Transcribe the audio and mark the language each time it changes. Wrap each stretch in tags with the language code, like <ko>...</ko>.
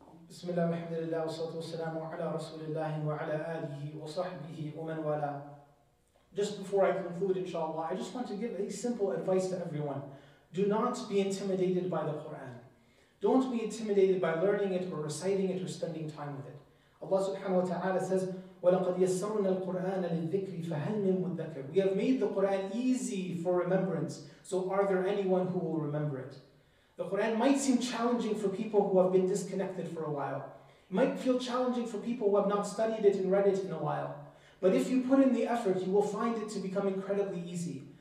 <ar>بسم الله والحمد لله والصلاة والسلام على رسول الله وعلى آله وصحبه ومن والاه.</ar> <en>Just before I conclude, inshallah, I just want to give a simple advice to everyone. Do not be intimidated by the Quran. Don't be intimidated by learning it or reciting it or spending time with it. Allah subhanahu wa ta'ala says,</en> <ar>وَلَقَدْ يَسَّرْنَا الْقُرْآنَ لِلذِّكْرِ فَهَلْ مِنْ مُدَّكِرٍ.</ar> <en>We have made the Quran easy for remembrance, so are there anyone who will remember it? The Quran might seem challenging for people who have been disconnected for a while. It might feel challenging for people who have not studied it and read it in a while. But if you put in the effort, you will find it to become incredibly easy.</en>